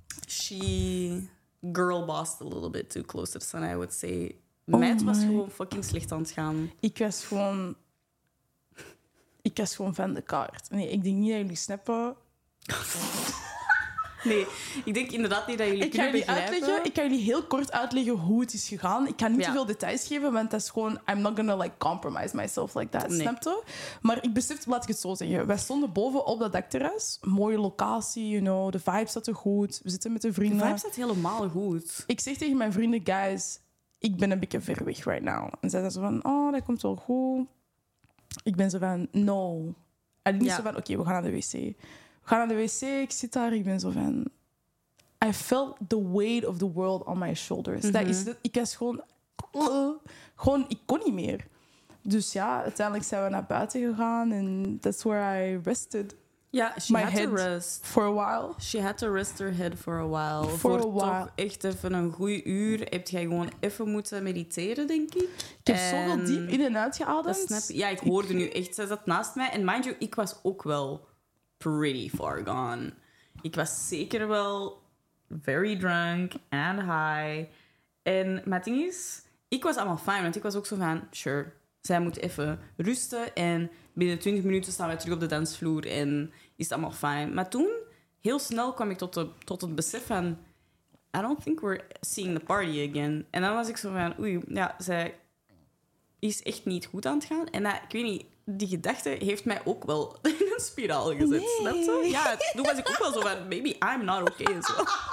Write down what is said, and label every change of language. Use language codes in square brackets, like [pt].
[en] She girlbossed a little bit too close to the sun, I would say. [nl] Meid was gewoon fucking slecht aan het gaan. Ik was gewoon van de kaart. Nee, ik denk niet dat jullie snappen. Nee, ik denk inderdaad niet dat jullie kunnen begrijpen. Ik ga jullie heel kort uitleggen hoe het is gegaan. Ik ga niet te veel details geven, want dat is gewoon... [en] I'm not gonna like compromise myself like that, [nl] nee. Snapte? Maar ik besefte, laat ik het zo zeggen. Wij stonden boven op dat dakterras. Mooie locatie, [en] you know. [nl] De vibe zat er goed. We zitten met de vrienden. De vibe zat helemaal goed. Ik zeg tegen mijn vrienden, guys... Ik ben een beetje ver weg [en] right now. [nl] En zij zei zo van, oh, dat komt wel goed. Ik ben zo van, [en] no. [nl] En niet zo van, oké, we gaan naar de wc. We gaan naar de wc, ik zit daar, ik ben zo van... [en] I felt the weight of the world on my shoulders. [nl] Mm-hmm. Ik was gewoon... Gewoon, ik kon niet meer. Dus ja, uiteindelijk zijn we naar buiten gegaan. [en] En that's where I rested. Ja, she my had head to rest. For a while. She had to rest her head for a while. For a while. [nl] Toch echt even een goeie uur. Heb jij gewoon even moeten mediteren, denk ik. Ik heb zoveel diep in en uit geademd. Ja, ik hoorde nu echt. Ze zat naast mij. En [en] mind you, [nl] ik was ook wel [en] pretty far gone. [nl] Ik was zeker wel [en] very drunk and high. [nl] En met is, ik was allemaal fine. Want ik was ook zo van, [en] sure. [nl] Zij moet even rusten en binnen 20 minuten staan wij terug op de dansvloer en is het allemaal fijn. Maar toen, heel snel, kwam ik tot het besef van... [en] I don't think we're seeing the party again. [nl] En dan was ik zo van, oei, ja, zij is echt niet goed aan het gaan. En dat, ik weet niet, die gedachte heeft mij ook wel in een spiraal gezet. Nee. Snap je? Ja, toen was ik ook wel zo van, [en] maybe I'm not okay as well.